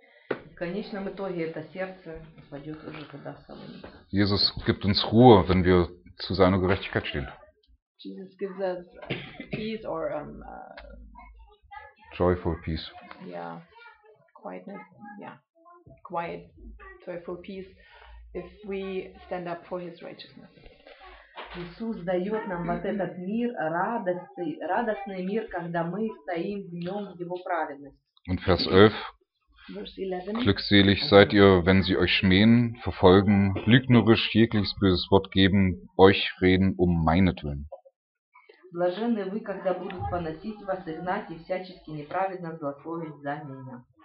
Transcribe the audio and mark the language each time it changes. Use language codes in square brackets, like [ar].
[ru] В конечном итоге это сердце упадет уже когда самое. [de] Jesus gibt uns Ruhe, wenn wir zu seiner Gerechtigkeit stehen. [en] Jesus gives us peace or joyful peace. Yeah, quietness. Yeah. Quiet, joyful peace, if we stand up for His righteousness. [ru] Иисус дает нам вот этот мир радости, радостный мир, когда мы стоим в нем в Его праведности. [de] Und Vers 11. Glückselig seid ihr, wenn sie euch schmähen, verfolgen, lügnerisch jegliches böses Wort geben, euch reden um meinetwillen. [ru] Блаженны вы, когда будут поносить вас и гнать и всячески неправедно злословить за меня.